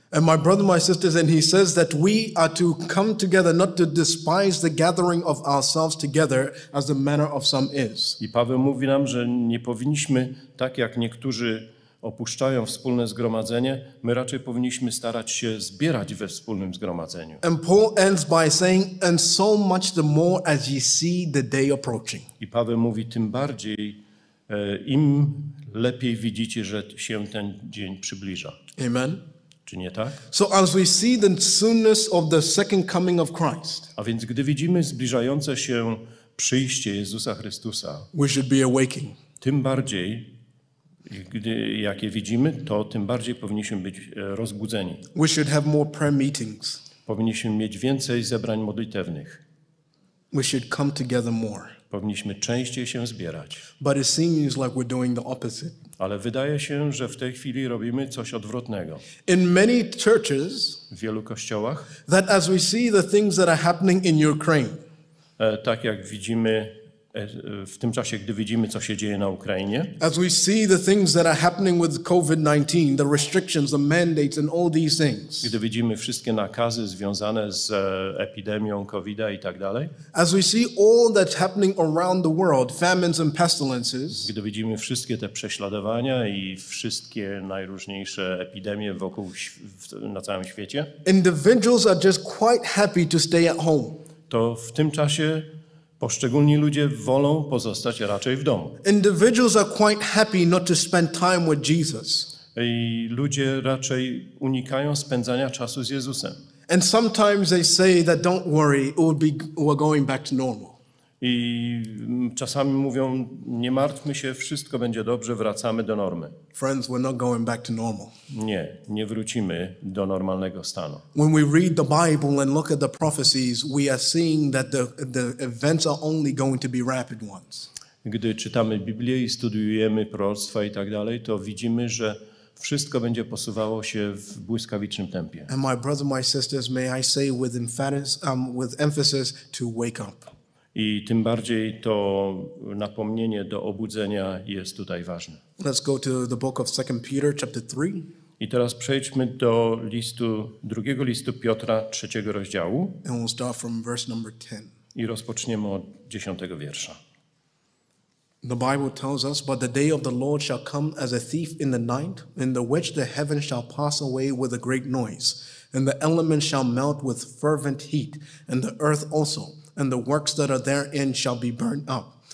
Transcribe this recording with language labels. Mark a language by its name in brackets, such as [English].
[English] And my brother, my sisters, and he says that we are to come together, not to despise the gathering of ourselves together, as the manner of some is. [Polish] I Paweł mówi nam, że nie powinniśmy, tak jak niektórzy opuszczają wspólne zgromadzenie, my raczej powinniśmy starać się zbierać we wspólnym zgromadzeniu. [English] And Paul ends by saying, and so much the more as ye see the day approaching. [Polish] I Paweł mówi, tym bardziej, im lepiej widzicie, że się ten dzień przybliża. [English] Amen. [Polish] Czy nie tak? [English] So as we see the soonness of the second coming of Christ, [Polish] a więc gdy widzimy zbliżające się przyjście Jezusa Chrystusa, [English] we should be awakening. [Polish] Tym bardziej, gdy jak je widzimy, to tym bardziej powinniśmy być rozbudzeni. [English] We should have more prayer meetings. [Polish] Powinniśmy mieć więcej zebrań modlitewnych. [English] We should come together more. [Polish] Powinniśmy częściej się zbierać. [English] But it seems like we're doing the opposite. [Polish] Ale wydaje się, że w tej chwili robimy coś odwrotnego. [English] In many churches, [Polish] w wielu kościołach, [English] that as we see the things that are happening in Ukraine, [Polish] tak jak widzimy w tym czasie, gdy widzimy, co się dzieje na Ukrainie, [English] as we see the things that are happening with COVID-19, the restrictions, the mandates and all these things, [Polish] gdy widzimy wszystkie nakazy związane z epidemią COVID-a i tak dalej, [English] as we see all that's happening around the world, famines and pestilences, [Polish] gdy widzimy wszystkie te prześladowania i wszystkie najróżniejsze epidemie wokół na całym świecie, [English] individuals are just quite happy to stay at home, [Polish] to w tym czasie poszczególni ludzie wolą pozostać raczej w domu. [English] Individuals are quite happy not to spend time with Jesus. [Polish] I ludzie raczej unikają spędzania czasu z Jezusem. [English] And sometimes they say that don't worry, we're going back to normal. [Polish] I czasami mówią, nie martwmy się, wszystko będzie dobrze, wracamy do normy. [English] Friends, we're not going back to normal. [Polish] Nie, nie wrócimy do normalnego stanu. [English] When we read the Bible and look at the prophecies, we are seeing that the events are only going to be rapid ones. [Polish] Gdy czytamy Biblię i studiujemy proroctwa i tak dalej, to widzimy, że wszystko będzie posuwało się w błyskawicznym tempie. [English] And my brother, my sisters, may I say with emphasis to wake up. [Polish] I tym bardziej to napomnienie do obudzenia jest tutaj ważne. [English] Let's go to the book of 2 Peter, chapter 3. [Polish] I teraz przejdźmy do listu, drugiego listu Piotra, trzeciego rozdziału. [English] And we'll start from verse number 10. [Polish] I rozpoczniemy od 10 wiersza. [English] The Bible tells us, but the day of the Lord shall come as a thief in the night, in the which the heaven shall pass away with a great noise, and the elements shall melt with fervent heat, and the earth also, and the works that are therein shall be burnt up.